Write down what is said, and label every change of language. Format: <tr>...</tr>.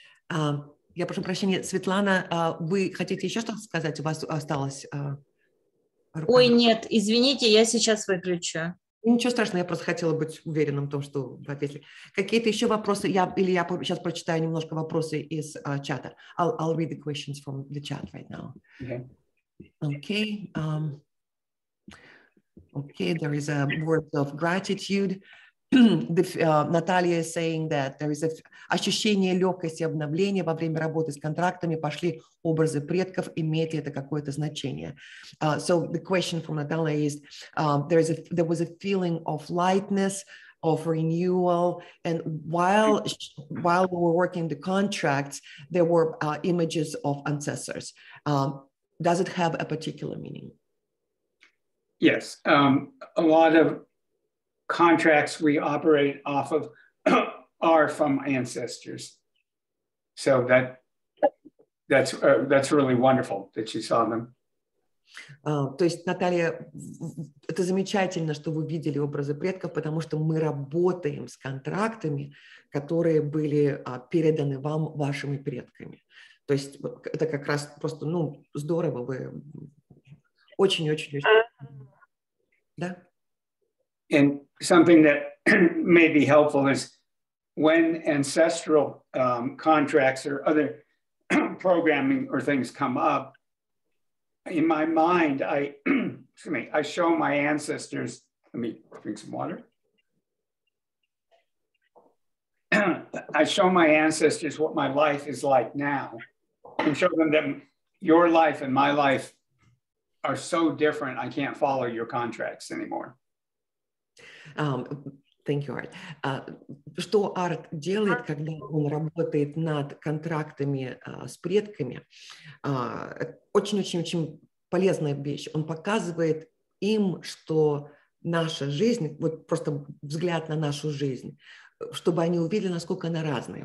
<ru>Я прошу прощения, Светлана, вы хотите еще что-то сказать? У вас осталось... Ой, нет, извините, я сейчас выключу. Ничего страшного, я просто хотела быть уверенным в том, что вы ответили. Какие-то еще вопросы? Я сейчас прочитаю немножко вопросы из чата.</ru> <en>I'll read the questions from the chat right now. Okay. Okay, there is a word of gratitude.</en> <ru>Наталья</ru> <en>is saying that there is</en> <ru>ощущение легкости обновления во время работы с контрактами, пошли образы предков, имеет ли это какое-то значение?</ru> <en>So the question from Natalia is, there was a feeling of lightness, of renewal, and while we were working the contracts, there were images of ancestors. Does it have a particular meaning? Yes, a lot of contracts we operate off of are from ancestors. So that's really wonderful that you saw them.</en> <ru>То есть, Наталья, это замечательно, что вы видели образы предков, потому что мы работаем с контрактами, которые были переданы вам вашими предками. То есть это как раз просто, ну, здорово, вы очень-очень-очень...</ru> <en>Yeah. And something that may be helpful is when ancestral contracts or other programming or things come up, in my mind, I show my ancestors, let me drink some water. I show my ancestors what my life is like now and show them that your life and my life are so different, I can't follow your contracts anymore. Thank you, Art.</en> <ru>Что Art делает, когда он работает над контрактами с предками, очень-очень-очень полезная вещь. Он показывает им, что наша жизнь, вот просто взгляд на нашу жизнь, чтобы они увидели, насколько она разная.</ru>